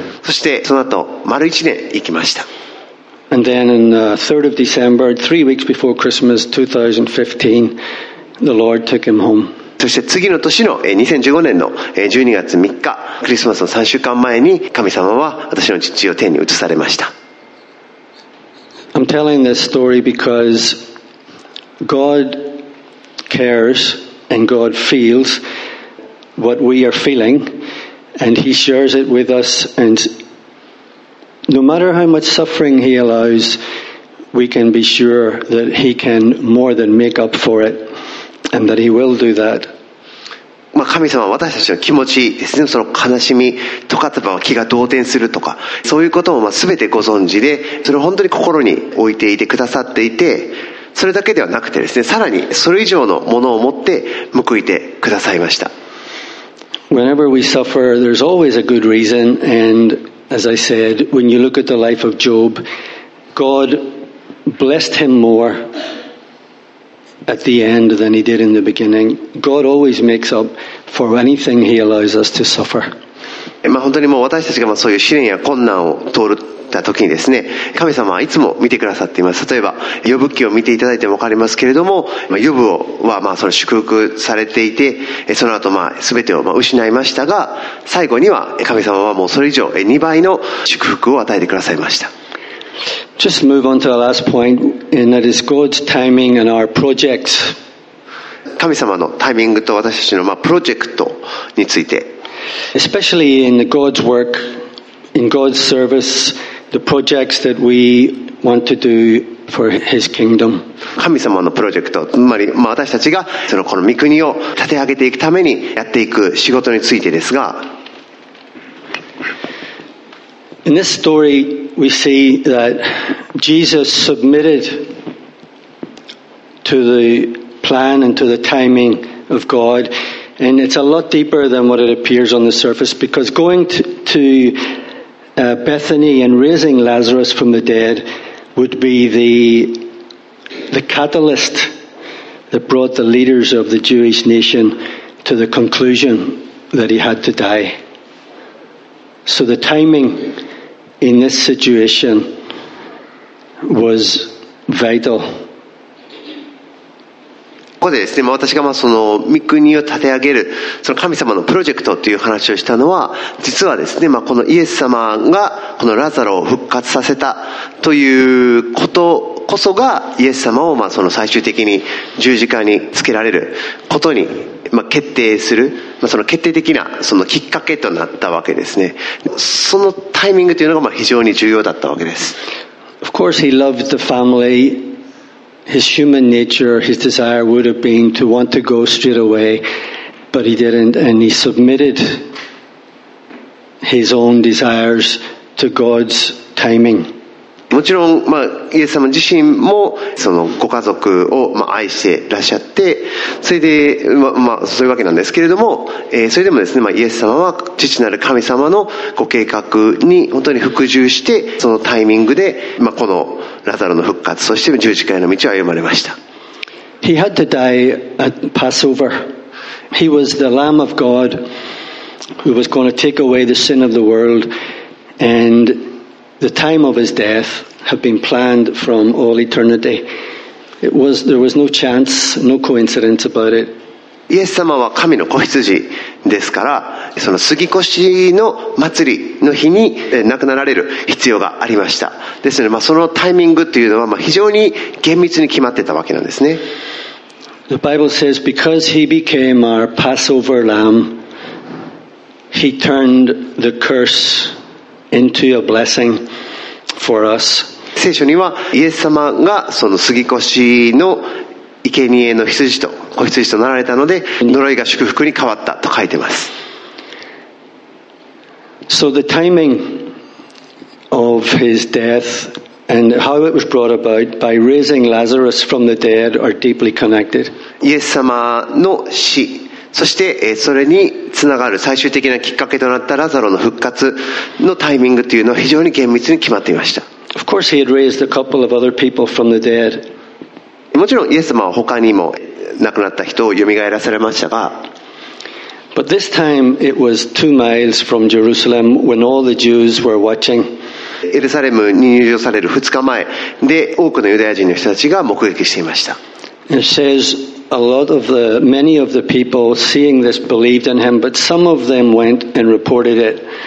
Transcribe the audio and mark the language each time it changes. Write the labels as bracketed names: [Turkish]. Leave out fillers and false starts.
[Japanese] そしてその後、丸1年生きました。 [English] And then on the 3rd of December, 3 weeks before Christmas 2015,The Lord took him home. [Japanese] そして次の年の2015年の12月3日クリスマスの3週間前に神様は私の父を天に移されました。 [English] I'm telling this story because God cares and God feels what we are feeling and he shares it with us and no matter how much suffering he allows we can be sure that he can more than make up for itAnd that he will do that. [Japanese] まあ神様は私たちの気持ちですね、その悲しみとか例えば気が動転するとかそういうこともまあ全てご存知でそれを本当に心に置いていてくださっていてそれだけではなくてですねさらにそれ以上のものを持って報いてくださいました。 [English] Whenever we suffer there's always a good reason and as I said when you look at the life of Job God blessed him moreAt the end than he did in the beginning. God always makes up for anything he allows us to suffer. [Japanese] まあ本当にもう私たちがまあそういう試練や困難を通った時にですね、神様はいつも見てくださっています。例えば、ヨブ記を見ていただいても分かりますけれども、まあ、ヨブはまあその祝福されていて、その後まあ全てをまあ失いましたが、最後には神様はもうそれ以上2倍の祝福を与えてくださいました。 [English] Just move on to the last point, and that is God's timing and our projects. [Japanese] 神様のタイミングと私たちのまあプロジェクトについて。 [English] Especially in God's work, in God's service, the projects that we want to do for his kingdom. [Japanese] 神様のプロジェクト、つまり、まあ、私たちがそのこの御国を立て上げていくためにやっていく仕事についてですが、 [English] In this story, we see that Jesus submitted to the plan and to the timing of God, and it's a lot deeper than what it appears on the surface. Because going to Bethany and raising Lazarus from the dead would be the catalyst that brought the leaders of the Jewish nation to the conclusion that he had to die. So the timing. In this situation was vital. [Japanese] ここでですね、私がまあその御国を立て上げるその神様のプロジェクトという話をしたのは、実はですね、まあ、このイエス様がこのラザロを復活させたということこそがイエス様をまあその最終的に十字架につけられることに、まあ、決定する、まあ、その決定的なそのきっかけとなったわけですね。そのタイミングというのがまあ非常に重要だったわけです。 [English] Of course, he loved the family. His human nature, his desire would have been to want to go straight away, but he didn't, and he submitted his own desires to God's timing. [Japanese] もちろん、まあ、イエス様自身もそのご家族を、まあ、愛してらっしゃって、それで、まあ、そういうわけなんですけれども、それでもですね、まあ、イエス様は父なる神様のご計画に本当に服従して、そのタイミングで、まあ、このラザロの復活、そして十字架への道を歩まれました。 [English] He had to die at Passover. He was the Lamb of God who was going to take away the sin of the world, andThe time of his death had been planned from all eternity. There was no chance, no coincidence about it. [Japanese] イエス様は神の子羊ですから、その杉越の祭りの日に亡くなられる必要がありました。ですので、まあ、そのタイミングというのは、まあ、非常に厳密に決まってたわけなんですね。 [English] The Bible says, because he became our Passover lamb, he turned the curse. Into a blessing for us. [Japanese] 聖書にはイエス様がその杉越の生贄の羊と子羊となられたので、呪いが祝福に変わったと書いてます。 [English] So the timing of his death and how it was brought about by raising Lazarus from the dead are deeply connected. [Japanese] イエス様の死、そしてそれにつながる最終的なきっかけとなったラザロの復活のタイミングというのは非常に厳密に決まっていました。 [English] Of course, he had raised a couple of other people from the dead. [Japanese] もちろんイエス様は他にも亡くなった人を蘇らされましたが、 [English] But this time it was 2 miles from Jerusalem when all the Jews were watching. [Japanese] エルサレムに入場される2日前で多くのユダヤ人の人たちが目撃していました。 [English] It says,many of the people seeing this believed in him, but some of them went and reported it.